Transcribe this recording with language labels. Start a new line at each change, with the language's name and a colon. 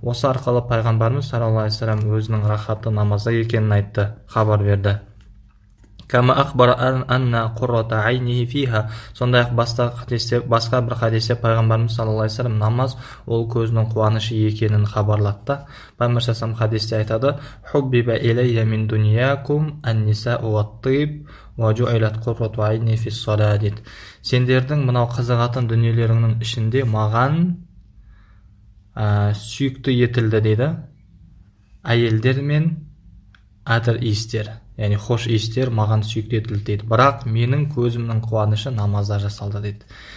Kazakh: Осы арқылы пайғамбарымыз саллаллаху алейхи ва саллям өзінің рахаты намазда екенін айтты, хабар берді.
Arabic: كَمَا أَخْبَرَ أَنَّ قُرَّةَ عَيْنِهِ فِيهَا.
Kazakh: Сондай-ақ басқа бір хадисте пайғамбарымыз саллаллаху алейхи ва саллям намаз ол көзінің қуанышы екенін хабарлатты. Пайғамбарымыз хадисте айтады:
Arabic: حُبِّبَ إِلَيَّ مِنْ دُنْيَاكُمْ النِّسَاءُ وَالطِّيبُ وَجُعِلَتْ قُرَّةُ عَيْنِي فِي الصَّلَاةِ دِيدِ.
Kazakh: Сендердің мынау қызығатын дүниелеріңнің ішінде маған сүйікті етілді дейді әйелдер мен әтір иістер, яғни хош иістер маған сүйікті етілді дейді, бірақ менің көзімнің қуанышы намазда жасалды дейді.